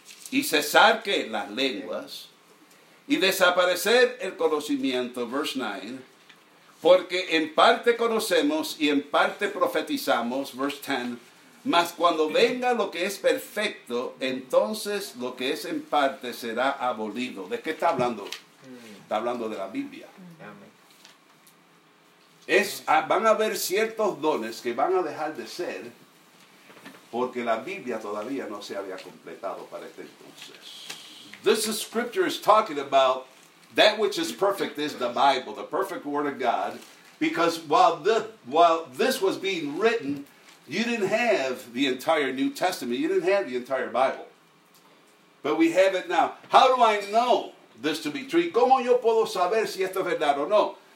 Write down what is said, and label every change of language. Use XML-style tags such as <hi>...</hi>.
<es>Y cesar que las lenguas, y desaparecer el conocimiento, verse 9, porque en parte conocemos y en parte profetizamos, verse 10, mas cuando venga lo que es perfecto, entonces lo que es en parte será abolido. ¿De qué está hablando? Está hablando de la Biblia. Van a haber ciertos dones que van a dejar de ser, porque la Biblia todavía no se había completado para este entonces.</es> <en>This is scripture is talking about that which is perfect is the Bible, the perfect word of God, because while this was being written, you didn't have the entire New Testament, you didn't have the entire Bible. But we have it now. How do I know this to be true?</en> <es>¿Cómo yo puedo saber si esto es verdad o no?</es>